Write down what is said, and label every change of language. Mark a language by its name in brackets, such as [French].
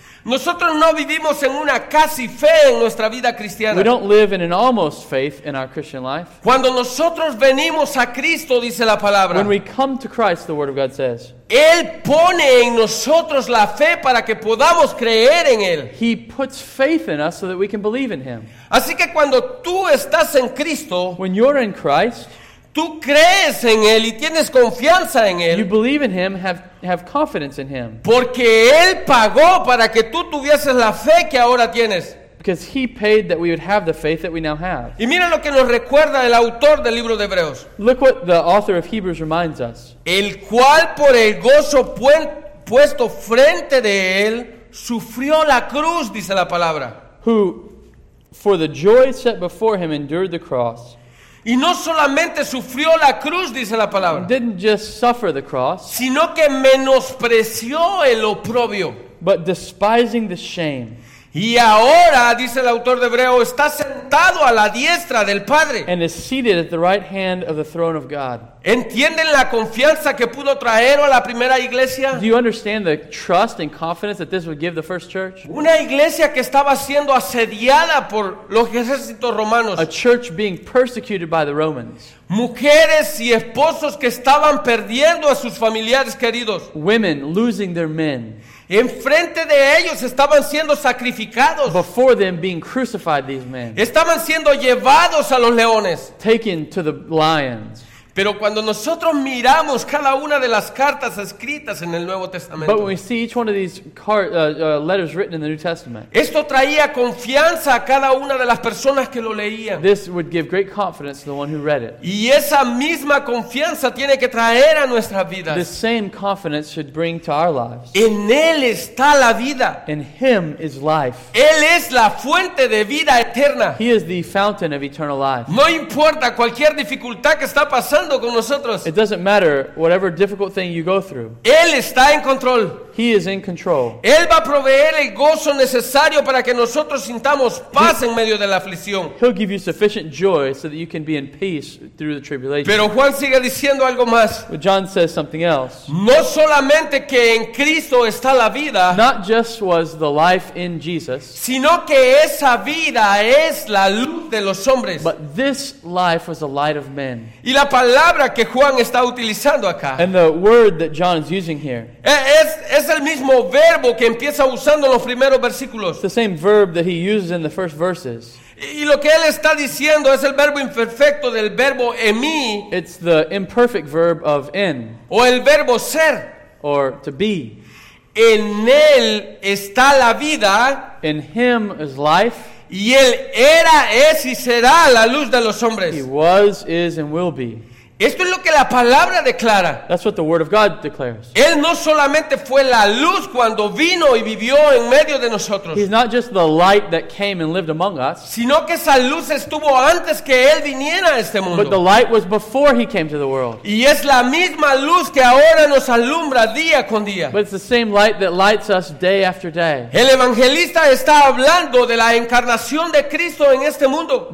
[Spanish] Nosotros no vivimos en una casi fe en nuestra vida cristiana. [English] We don't live in an almost faith in our Christian life. [Spanish] Cuando nosotros venimos a Cristo, dice la palabra. [English] When we come to Christ, the word of God says. [Spanish] Él pone en nosotros la fe para que podamos creer en él. [English] He puts faith in us so that we can believe in him. [Spanish] Así que cuando tú estás en Cristo, [English] when you're in Christ, [Spanish] tú crees en él y tienes confianza en él. [English] You believe in him, have confidence in him. [Spanish] Porque él pagó para que tú tuvieses la fe que ahora tienes. [English] Because he paid that we would have the faith that we now have. [Spanish] Y mira lo que nos recuerda el autor del libro de Hebreos. [English] Look what the author of Hebrews reminds us. [Spanish] El cual por el gozo puesto frente de él sufrió la cruz, dice la palabra. [English] Who, for the joy set before him, endured the cross. [Spanish] Y no solamente sufrió la cruz, dice la palabra. [English] Didn't just suffer the cross. [Spanish] Sino que menospreció el oprobio. [English] But despising the shame. [Spanish] Y ahora, dice el autor de Hebreo, está sentado a la diestra del Padre. [English] And is seated at the right hand of the throne of God. [Spanish] ¿Entienden la confianza que pudo traer a la primera iglesia? [English] Do you understand the trust and confidence that this would give the first church? [Spanish] Una iglesia que estaba siendo asediada por los ejércitos romanos. [English] A church being persecuted by the Romans. [Spanish] Mujeres y esposos que estaban perdiendo a sus familiares queridos. [English] Women losing their men. [Spanish] Enfrente de ellos estaban siendo sacrificados. [English] Before them being crucified, these men. [Spanish] Estaban siendo llevados a los leones. [English] Taken to the lions. [Spanish] Pero cuando nosotros miramos cada una de las cartas escritas en el Nuevo Testamento. [English] But when we see each one of these letters written in the New Testament. [Spanish] Esto traía confianza a cada una de las personas que lo leían. [English] This would give great confidence to the one who read it. [Spanish] Y esa misma confianza tiene que traer a nuestras vidas. [English] The same confidence should bring to our lives. [Spanish] En Él está la vida. [English] In Him is life. [Spanish] Él es la fuente de vida eterna. [English] He is the fountain of eternal life. [Spanish] No importa cualquier dificultad que está pasando. [English] It doesn't matter whatever difficult thing you go through. [Spanish] Él está en control. [English] He is in control. [Spanish] Él va a proveer el gozo necesario para que nosotros sintamos paz en medio de la aflicción. [English] He'll give you sufficient joy so that you can be in peace through the tribulation. [Spanish] Pero Juan sigue diciendo algo más. [English] But John says something else. [Spanish] No solamente que en Cristo está la vida. [English] Not just was the life in Jesus. [Spanish] Sino que esa vida es la luz de los hombres. [English] But this life was the light of men. [Spanish] Y la palabra que Juan está utilizando acá. [English] And the word that John is using here. [Spanish] Es el mismo verbo que empieza usando en los primeros versículos. [English] The same verb that he uses in the first verses. [Spanish] Y lo que él está diciendo es el verbo imperfecto del verbo en mí. [English] It's the imperfect verb of en. [Spanish] O el verbo ser. [English] Or to be. [Spanish] En él está la vida. [English] In him is life. [Spanish] Y él era, es y será la luz de los hombres. [English] He was, is, and will be. [Spanish] Esto es lo que la palabra declara. [English] That's what the word of God declares. [Spanish] Él no solamente fue la luz cuando vino y vivió en medio de nosotros. [English] He's not just the light that came and lived among us. [Spanish] Sino que esa luz estuvo antes que él viniera a este mundo. [English] But the light was before he came to the world. [Spanish] Y es la misma luz que ahora nos alumbra día con día. [English] But it's the same light that lights us day after day. [Spanish] El evangelista está hablando de la encarnación de Cristo en este mundo.